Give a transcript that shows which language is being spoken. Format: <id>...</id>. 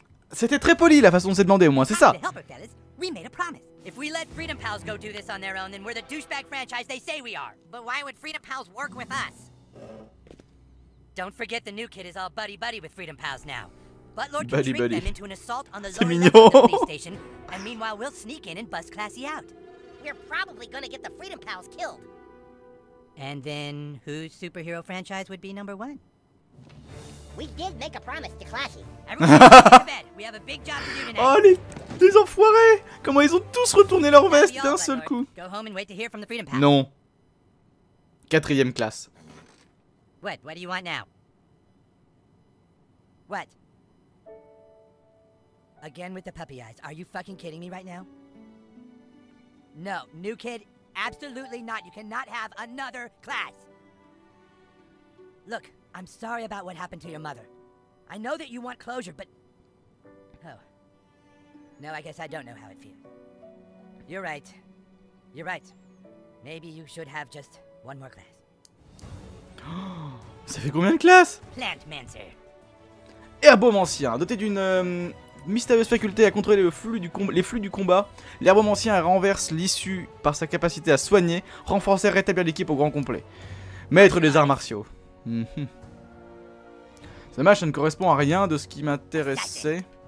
<fr>C'était très poli la façon dont c'est demandé au moins, c'est ça.</fr> <en>We made a promise. If we let Freedom Pals go do this on their own, then we're the douchebag franchise they say we are. But why would Freedom Pals work with us? Don't forget the new kid is all buddy buddy with Freedom Pals now. But Lord can treat them into an assault on the police station, and meanwhile we'll sneak in and bust Classy out. We're probably gonna get the Freedom Pals killed. And then whose superhero franchise would be number one? We did make a promise to Classy. We have a big job to do tonight.</en> <fr>Oh les enfoirés! Comment ils ont tous retourné leur veste d'un seul coup?</fr> <en>Go home and wait to hear from the Freedom Pals.</en> <fr>Non. Quatrième classe.</fr> <en>What do you want now? What? Again with the puppy eyes. Are you fucking kidding me right now? No, new kid, absolutely not. You cannot have another class. Look. I'm sorry about what happened to your mother. I know that you want closure, but... Oh. No, I guess I don't know how it feels. You're right. You're right. Maybe you should have just one more class.</en> <fr>Ça fait combien de classes? Plantmancer. Herbome ancien, doté d'une mystérieuse faculté à contrôler les flux du combat. L'herbome ancien renverse l'issue par sa capacité à soigner, renforcer et rétablir l'équipe au grand complet. Maître des arts martiaux. Le match, ça ne correspond à rien de ce qui m'intéressait.</fr>